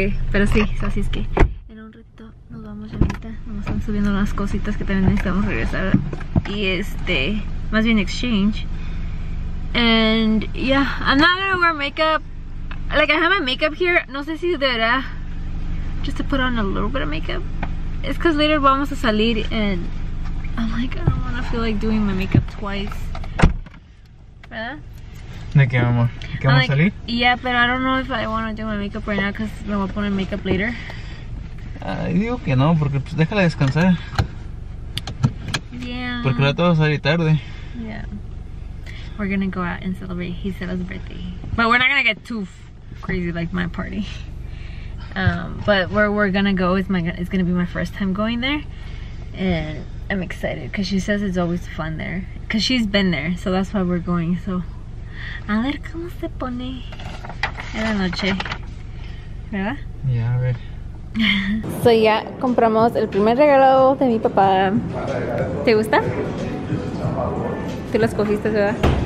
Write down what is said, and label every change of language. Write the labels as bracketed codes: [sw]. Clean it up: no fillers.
[es] pero sí, so así es que vamos ahorita, nos están subiendo unas cositas que también necesitamos regresar y más bien exchange. [en] And yeah, I'm not gonna wear makeup, like I have my makeup here, [es] no sé si deberá [en] just to put on a little bit of makeup. It's cause later [es] vamos a salir [en] and I'm like, I don't wanna feel like doing my makeup twice, ¿verdad? [es] ¿De qué, amor? ¿De qué vamos a salir? [en] Yeah, pero I don't know if I wanna do my makeup right now cause [es] me voy a poner [en] makeup later. [es] Digo que no, porque pues déjala descansar. [en] Yeah. [es] Porque ahora te vas a salir tarde. [en] Yeah. We're gonna go out and celebrate Gisela's birthday. But we're not gonna get too crazy like my party. But where we're gonna go is it's gonna be my first time going there. And I'm excited because she says it's always fun there. Because she's been there, so that's why we're going. [es] So, a ver cómo se pone en la noche. ¿Verdad? Yeah, a ver. So ya compramos el primer regalo de mi papá. ¿Te gusta? Tú lo escogiste, ¿verdad?